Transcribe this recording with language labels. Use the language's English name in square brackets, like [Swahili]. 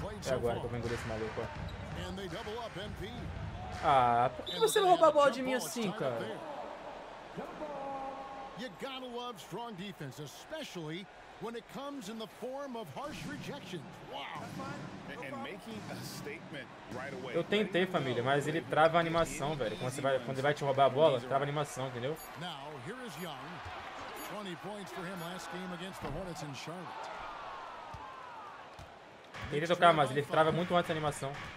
[Portuguese] É agora que eu vou engolir esse maluco, ó. Ah, por que você não rouba a bola de mim assim, cara? [English] You gotta love strong defense, especially when it comes in the form of harsh rejections. Wow. And making a statement right away. [Portuguese] Eu tentei, família, mas ele trava a animação, velho. Quando você vai, quando ele vai te roubar a bola, trava a animação, entendeu? [English] Now, here is Young. 20 points for him last game against the Hornets in Charlotte. [Portuguese] Queria tocar, mas ele trava muito antes a animação.